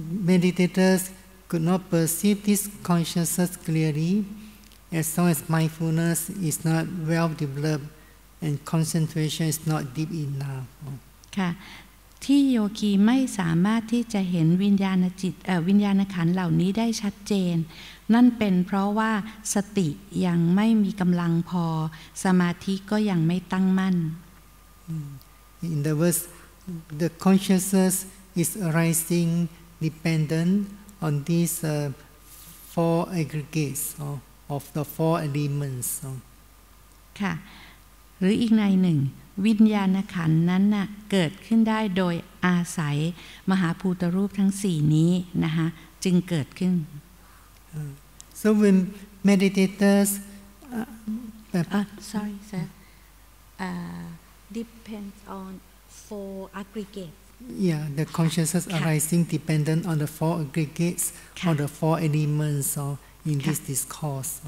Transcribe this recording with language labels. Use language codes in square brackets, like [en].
[en] Meditators could not perceive this consciousness clearly as long as mindfulness is not well developed and concentration is not deep enough [th] ค่ะที่โยคีไม่สามารถที่จะเห็นวิญญาณจิตวิญญาณขันธ์เหล่านี้ได้ชัดเจนนั่นเป็นเพราะว่าสติยังไม่มีกำลังพอสมาธิก็ยังไม่ตั้งมั่น [en] In the words the consciousness is arising dependent on these four aggregates of the four elements [th] ค่ะหรืออีกในหนึ่งวิญญาณขันธ์นั้นน่ะเกิดขึ้นได้โดยอาศัยมหาภูตรูปทั้งสี่นี้นะคะจึงเกิดขึ้น [en] So when meditators sorry sir depends on four aggregates yeah the consciousness arising dependent on the four aggregates or the four elements or in this discourse